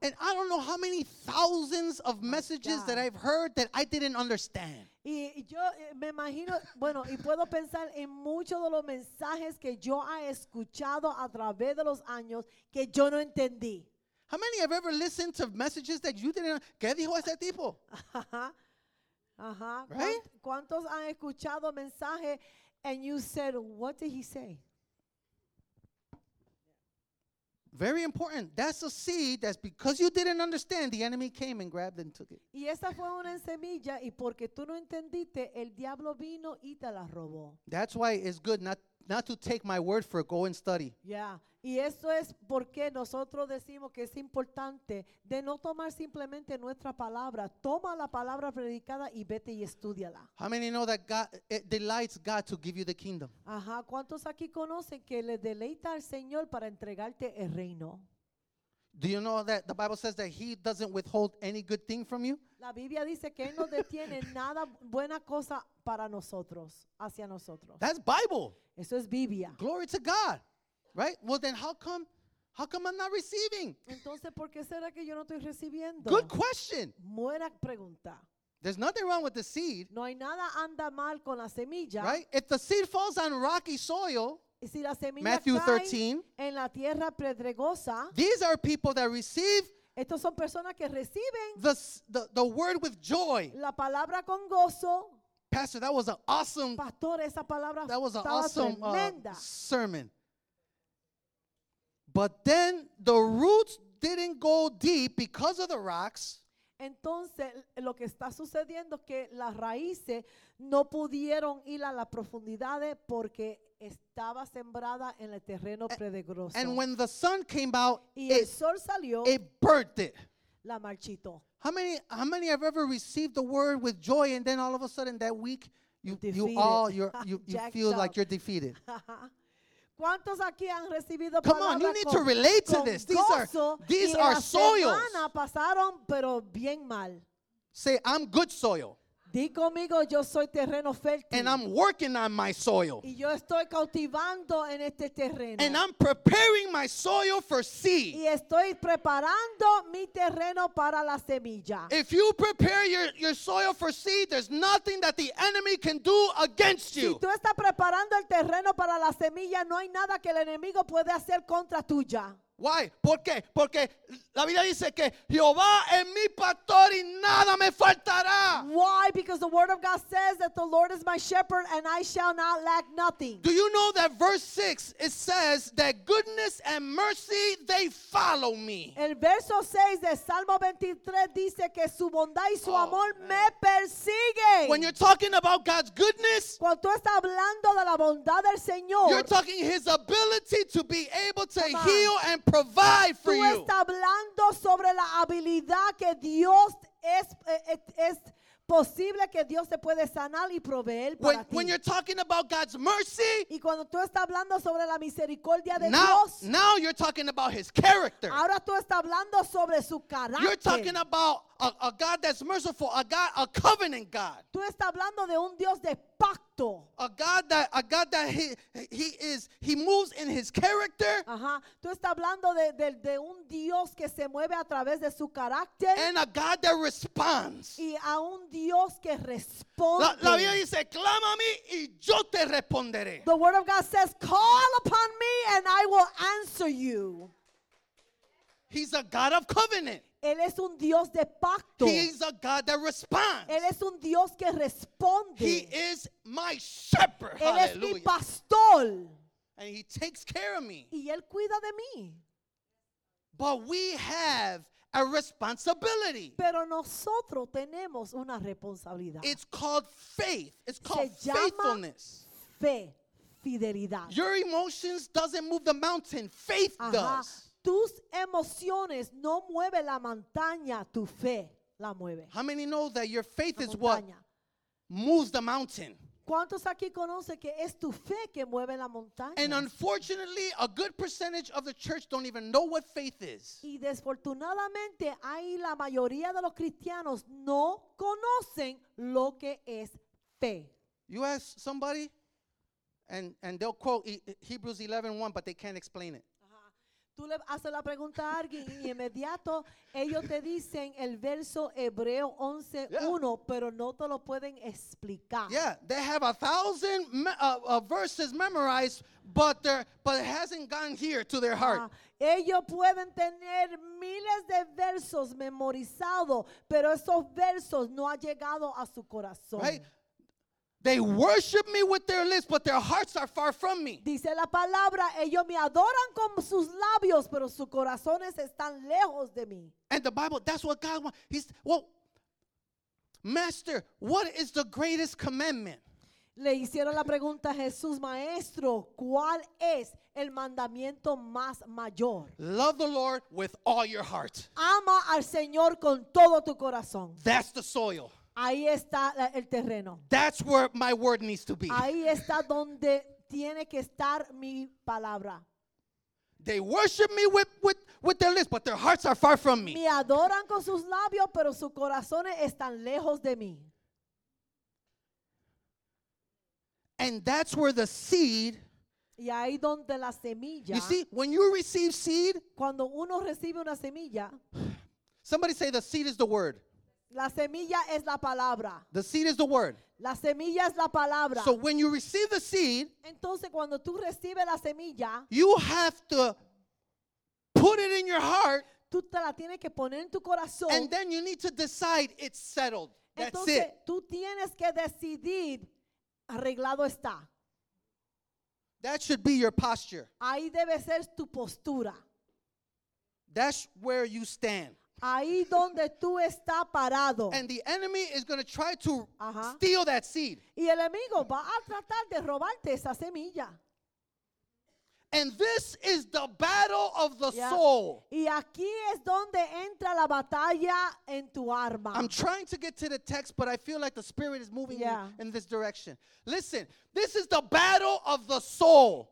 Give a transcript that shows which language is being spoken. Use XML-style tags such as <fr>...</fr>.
<en>And I don't know how many thousands of messages that I've heard that I didn't understand.</en> <es>Y yo me imagino, bueno, y puedo pensar en muchos de los mensajes que yo he escuchado a través de los años que yo no entendí.</es> <en>How many have ever listened to messages that you didn't understand?</en> <es>¿Qué dijo ese tipo? Ajá.</es> <en>Right?</en> <es>¿Cuántos han escuchado mensajes</es> <en>and you said, what did he say? Very important. That's a seed that's because you didn't understand, the enemy came and grabbed and took it.</en> <es>Y esa fue una semilla y porque tú no entendiste, el diablo vino y te la robó.</es> <en>That's why it's good not to take my word for it. Go and study. Yeah.</en> <es>Y eso es porque nosotros decimos que es importante de no tomar simplemente nuestra palabra. Toma la palabra predicada y vete y estúdiala.</es> <en>How many know that God, it delights God to give you the kingdom? Ajá.</en> <es>¿Cuántos aquí conocen que le deleita al Señor para entregarte el reino?</es> <en>Do you know that the Bible says that he doesn't withhold any good thing from you?</en> <es>La Biblia dice que él no detiene nada buena cosa para nosotros, hacia nosotros.</es> <en>That's Bible.</en> <es>Eso es Biblia.</es> <en>Glory to God. Right? Well, then how come I'm not receiving?</en> <es>Entonces, ¿por qué será que yo no estoy recibiendo?</es> <en>Good question.</en> <es>Buena pregunta.</es> <en>There's nothing wrong with the seed.</en> <es>No hay nada anda mal con la semilla.</es> <en>Right? If the seed falls on rocky soil,</en> <es>si la semilla</es> <en>Matthew</en> <es>cae 13, en la tierra pedregosa,</es> <en>these are people that receive</en> <es>estos son personas que reciben</es> <en>the word with joy.</en> <es>La palabra con gozo.</es> <en>Pastor, that was an awesome,</en> <es>Pastor, esa palabra</es> <en>that was an awesome</en> <es>tremenda.</es> <en>Sermon. But then the roots didn't go deep because of the rocks.</en> <es>Entonces, lo que está sucediendo es que las raíces no pudieron ir a las profundidades porque estaba sembrada en el terreno pedregoso.</es> <en>And when the sun came out,</en> <es>y el sol salió,</es> <en>it burnt it.</en> <es>La marchitó.</es> <en>How many have ever received the word with joy and then all of a sudden that week you feel up. Like you're defeated?</en> <es>¿Cuántos aquí han recibido</es> <en>Come on, you need to relate to this. These are soils.</en> <es>Semana pasaron, pero bien mal.</es> <en>Say, I'm good soil.</en> <es>Di conmigo, yo soy terreno fértil.</es> <en>And I'm working on my soil.</en> <es>Y yo estoy cautivando en este terreno.</es> <en>And I'm preparing my soil for seed.</en> <es>Y estoy preparando mi terreno para la semilla.</es> <en>If you prepare your soil for seed, there's nothing that the enemy can do against you.</en> <es>Si tú estás preparando el terreno para la semilla, no hay nada que el enemigo puede hacer contra tuya.</es> <en>Why?</en> <es>¿Por qué? Porque la Biblia dice que Jehová es mi pastor y nada me faltará.</es> <en>Why? Because the word of God says that the Lord is my shepherd and I shall not lack nothing. Do you know that verse 6, it says that goodness and mercy, they follow me.</en> <es>El verso 6 de Salmo 23 dice que su bondad y su amor me persiguen.</es> <en>When you're talking about God's goodness,</en> <es>cuando tú estás hablando de la bondad del Señor,</es> <en>you're talking his ability to be able to heal and provide for you.</en> <es>Tú estás hablando sobre la habilidad que Dios es posible que Dios te puede sanar y proveer para ti.</es> <en>When you're talking about God's mercy,</en> <es>y cuando tú estás hablando sobre la misericordia de</es> <en>Dios, now you're talking about his character.</en> <es>Ahora tú estás hablando sobre su carácter.</es> <en>You're talking about a God that's merciful, a God, a covenant God.</en> <es>Tú estás hablando de un Dios de pacto.</es> <en>A God that he moves in his character. Ajá.</en> <es>Tú estás hablando de un Dios que se mueve a través de su carácter.</es> <en>And a God that responds.</en> <es>Y a un Dios que responde. La Biblia dice, clama a mí y yo te responderé.</es> <en>The word of God says, call upon me and I will answer you. He's a God of covenant.</en> <es>Él es un Dios de pacto.</es> <en>He is a God that responds.</en> <es>Él es un Dios que responde.</es> <en>He is my shepherd.</en> <es>Él</es> <en>Hallelujah.</en> <es>Es mi pastor.</es> <en>And he takes care of me.</en> <es>Y él cuida de mí.</es> <en>But we have a responsibility.</en> <es>Pero nosotros tenemos una responsabilidad.</es> <en>It's called faith. It's called</en> <es>Se llama</es> <en>faithfulness.</en> <es>Fe, fidelidad.</es> <en>Your emotions doesn't move the mountain. Faith Ajá. does.</en> <es>Tus emociones no mueve la montaña, tu fe la mueve.</es> <en>How many know that your faith is what moves the mountain?</en> <es>¿Cuántos aquí conocen que es tu fe que mueve la montaña?</es> <en>And unfortunately, a good percentage of the church don't even know what faith is.</en> <es>Y desafortunadamente, ahí la mayoría de los cristianos no conocen lo que es fe.</es> <en>You ask somebody, and they'll quote Hebrews 11:1, but they can't explain it.</en> <es>Tú le haces la pregunta a alguien y inmediato ellos te dicen el verso Hebreo 11:1, yeah. pero no te lo pueden explicar.</es> <en>Yeah, they have 1,000 verses memorized, but it hasn't gone here to their heart.</en> <es>Ellos pueden tener miles de versos memorizados, pero esos versos no han llegado a su corazón.</es> <en>Right? They worship me with their lips, but their hearts are far from me.</en> <es>Dice la palabra, ellos me adoran con sus labios, pero sus corazones están lejos de mí.</es> <en>And the Bible, that's what God wants. He's, well, Master, what is the greatest commandment?</en> <es>Le hicieron la pregunta a Jesús, Maestro, ¿cuál es el mandamiento más mayor?</es> <en>Love the Lord with all your heart.</en> <es>Ama al Señor con todo tu corazón.</es> <en>That's the soil.</en> <es>Ahí está el terreno.</es> <en>That's where my word needs to be.</en> <es>Ahí está donde tiene que estar mi palabra.</es> <en>They worship me with their lips, but their hearts are far from me.</en> <es>Me adoran con sus labios, pero sus corazones están lejos de mí.</es> <en>And that's where the seed.</en> <es>Y ahí donde la semilla.</es> <en>You see, when you receive seed.</en> <es>Cuando uno recibe una semilla.</es> <en>Somebody say the seed is the word.</en> <es>La semilla es la palabra.</es> <en>The seed is the word.</en> <es>La semilla es la palabra.</es> <en>So when you receive the seed,</en> <es>entonces cuando tú recibes la semilla,</es> <en>you have to put it in your heart.</en> <es>Tú te la tienes que poner en tu corazón.</es> <en>And then you need to decide it's settled. That's</en> <es>entonces,</es> <en>it.</en> <es>Tú tienes que decidir arreglado está.</es> <en>That should be your posture.</en> <es>Ahí debe ser tu postura.</es> <en>That's where you stand.</en> <es>Ahí donde tú está parado.</es> <en>And the enemy is going to try to steal that seed.</en> <es>Y el enemigo va a tratar de robarte esa semilla.</es> <en>And this is the battle of the soul.</en> <es>Y aquí es donde entra la batalla en tu arma.</es> <en>I'm trying to get to the text, but I feel like the spirit is moving in this direction. Listen, this is the battle of the soul.</en>